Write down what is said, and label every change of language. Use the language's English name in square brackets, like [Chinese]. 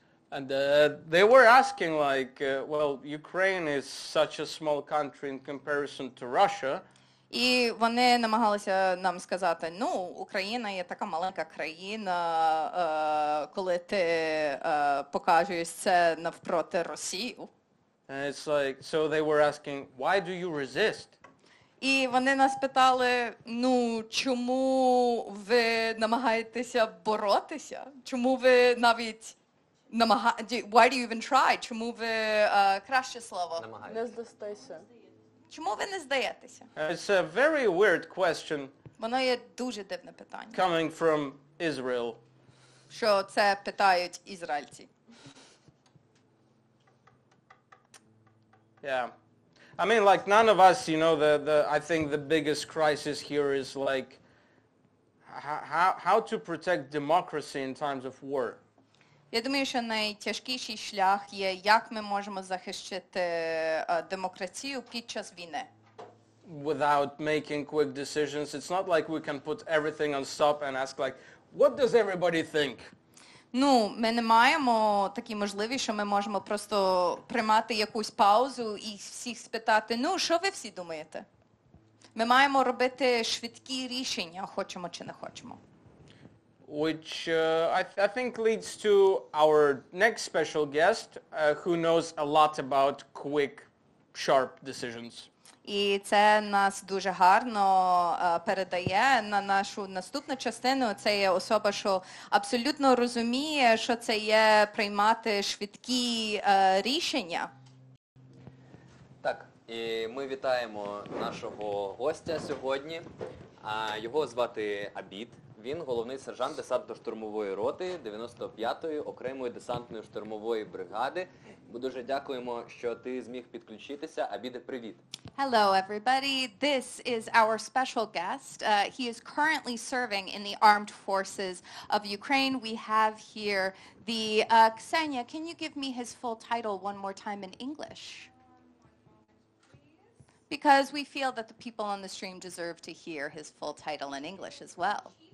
[English] And they were asking, like, well, Ukraine is such a small country in comparison to Russia. [Ukrainian] І вони намагалися нам сказати, ну, Україна є така маленька країна, коли ти показуєш це навпроти Росію. [English] And it's like, so they were asking, why do you resist? [Ukrainian] І вони нас питали, ну, чому ви намагаєтеся боротися? Чому ви навіть намагаєтеся? [English] Why do you even try? [Ukrainian] Чому ви, краще слово? Не здаєтеся. Чому ви не здаєтеся? [English] It's a very weird question. [Ukrainian] Воно є дуже дивне питання. [English] Coming from Israel. [Ukrainian] Що це питають ізраїльці. [English] Yeah. I mean, like, none of us, you know, I think the biggest crisis here is, like, how to protect democracy in times of war. [Ukrainian] Я думаю, що найтяжкіший шлях є, як ми можемо захищати демократію під час війни. [English] Without making quick decisions, it's not like we can put everything on stop and ask, like, what does everybody think? [Ukrainian] Ну, ми не маємо такі можливості, що ми можемо просто приймати якусь паузу і всіх спитати, ну, що ви всі думаєте? Ми маємо робити швидкі рішення, хочемо чи не хочемо. [English] Which I think leads to our next special guest, who knows a lot about quick, sharp decisions. [Ukrainian] І це нас дуже гарно передає на нашу наступну частину. Це є особа, що абсолютно розуміє, що це є приймати швидкі рішення. Так, і ми вітаємо нашого гостя сьогодні. Його звати Абід. Він головний сержант десантно-штурмової роти 95-ї окремої десантної штурмової бригади. Ми дуже дякуємо, що ти зміг підключитися. Абіде, привіт. [English] Hello everybody. This is our special guest. He is currently serving in the armed forces of Ukraine. We have here the Ksenia. Can you give me his full title one more time in English? Because we feel that the people on the stream deserve to hear his full title in English as well.